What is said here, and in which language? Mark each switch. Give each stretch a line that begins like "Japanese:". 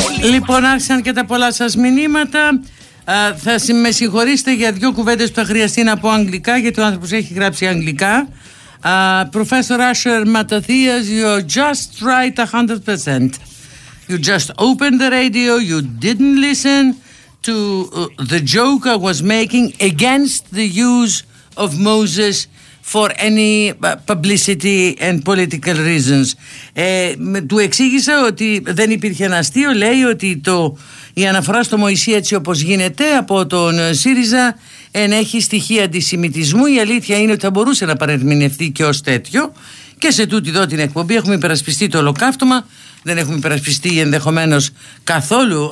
Greek: Λοιπόν, άρχισαν και τα πολλά σας μηνύματα. Θα με συγχωρήσετε για δύο κουβέντες που θα χρειαστεί να πω αγγλικά, γιατί ο άνθρωπος έχει γράψει αγγλικά.
English: Professor Asher Matathias, you just tried 100%. You just opened the radio, you didn't listen to the joke I was making against the use of Moses for any publicity and political reasons.
Greek: Του εξήγησα ότι δεν υπήρχε ένα αστείο, λέει ότι η αναφορά στο Μωυσή έτσι όπως γίνεται από τον ΣΥΡΙΖΑ ενέχει στοιχεία αντισημιτισμού. Η αλήθεια είναι ότι θα μπορούσε να παρερμηνευτεί και ως τέτοιο. Και σε τούτη εδώ την εκπομπή έχουμε υπερασπιστεί το ολοκαύτωμα, δεν έχουμε υπερασπιστεί ενδεχομένως καθόλου.